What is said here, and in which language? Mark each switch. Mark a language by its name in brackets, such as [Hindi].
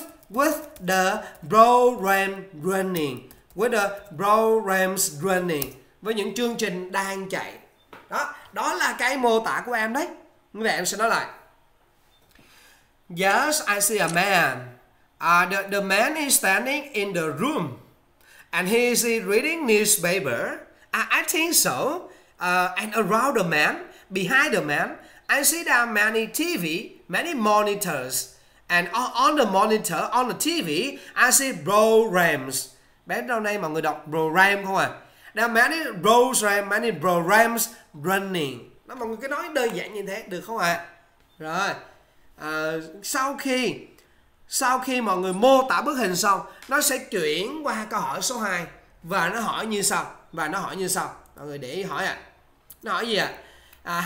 [English] With the programs running, [Vietnamese] với những chương trình đang chạy. Đó, đó là cái mô tả của em đấy. Như vậy em sẽ nói lại. [English] Yes, I see a man. The man is standing in the room, and he is reading newspaper. I think so. And around the man, behind the man, I see there are many TV, many monitors. And on the monitor, on the TV, I see programs. [Vietnamese] Bé đâu nay mọi người đọc program không à? [English] There are many programs, many programs running. [Vietnamese] Đó, mọi người cứ nói đơn giản như thế được không ạ? À? Rồi. À, sau khi mọi người mô tả bức hình xong, nó sẽ chuyển qua câu hỏi số 2 và nó hỏi như sau, Mọi người để ý hỏi ạ. À. Nó hỏi gì ạ? À?